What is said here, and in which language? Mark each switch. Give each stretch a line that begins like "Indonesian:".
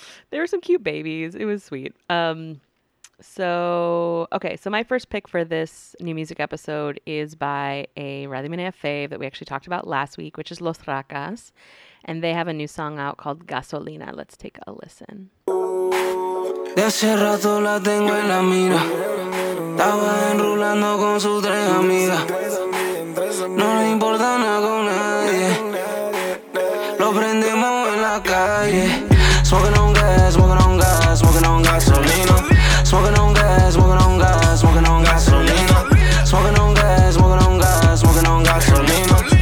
English: There were some cute babies. It was sweet. So my first pick for this new music episode is by a Rather Than a Fave that we actually talked about last week, which is Los Racas. And they have a new song out called Gasolina. Let's take a listen.
Spanish: De hace rato la tengo en la mira. Estaba enrulando con sus tres amigas. No le importa nada con nadie. Lo prendemos en la calle.
English: Smoking on gas, smoking on gas, smoking on gasolina. Smoking on gas, smoking on gas, smoking on gasolina. Smoking on gas, smoking on gas, smoking on gasolina.